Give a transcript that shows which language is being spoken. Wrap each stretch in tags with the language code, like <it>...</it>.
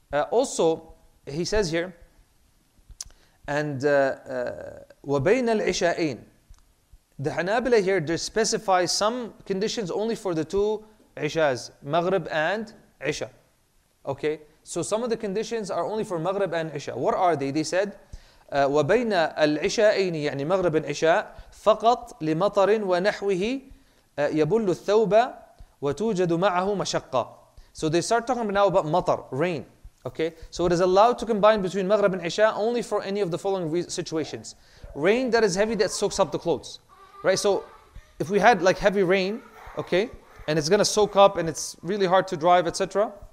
<en>Also, he says here, and</en> <ar>وبين العشاءين,</ar> <en>the Hanabila here they specify some conditions only for the two Ishas, Maghrib and Isha. Okay. So some of the conditions are only for Maghrib and Isha. What are they? They said,</en> <ar>وبين العشاءين يعني مغرب العشاء فقط لمطر ونحوه يبل الثوب وتوجد معه مشقة.</ar> <en>So they start talking now about matar, rain. Okay, so it is allowed to combine between مغرب and عشاء only for any of the following situations: rain that is heavy that soaks up the clothes, right? So if we had like heavy rain, okay, and it's gonna soak up and it's really hard to drive, etc.</en>